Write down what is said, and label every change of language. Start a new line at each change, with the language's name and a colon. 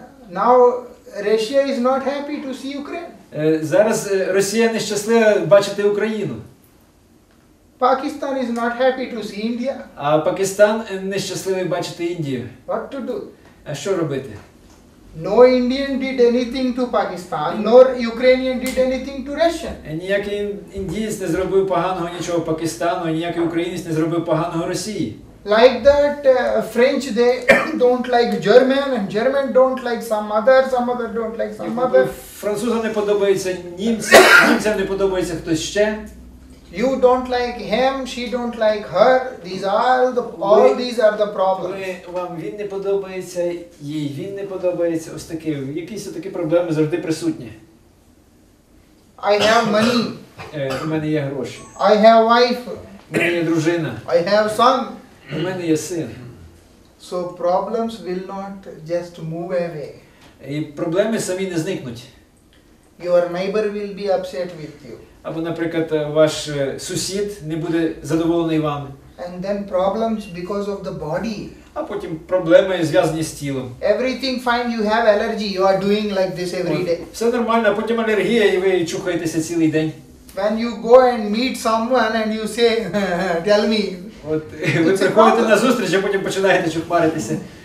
English: Now, Russia is not happy to see Ukraine.
Ukrainian: Зараз Росія нещаслива бачити Україну.
English: Pakistan is not happy to see India.
Ukrainian: А Пакистан нещасливий бачити Індію.
English: What to do?
Ukrainian: А що робити?
English: No Indian did anything to Pakistan, nor Ukrainian did anything to Russia.
Ukrainian: Ніякий індієць не зробив поганого нічого Пакистану, ніякий українець не зробив поганого Росії.
English: Like that French, they don't like German, and German don't like some other don't like some other.
Ukrainian: Французам не подобається німці, німцям не подобається хтось ще.
English: You don't like him, she don't like her. These are the problems.
Ukrainian: Вам він не подобається, їй він не подобається. Ось такі, якісь такі проблеми завжди присутні.
English: I have money.
Ukrainian: У мене є гроші.
English: I have wife.
Ukrainian: У мене є дружина.
English: I have son.
Ukrainian: У мене є син.
English: So problems will not just move away.
Ukrainian: І проблеми самі не зникнуть.
English: Your neighbor will be upset with you.
Ukrainian: Або, наприклад, ваш сусід не буде задоволений вами.
English: And then problems because of the body.
Ukrainian: А потім проблеми зв'язані з тілом.
English: Everything fine, you have allergy, you are doing like this every day.
Ukrainian: Все нормально, потім алергія і ви чухаєтеся цілий день.
English: When you go and meet someone and you say, tell me.
Ukrainian: От ви приходите на зустріч, а потім починаєте чухмаритися.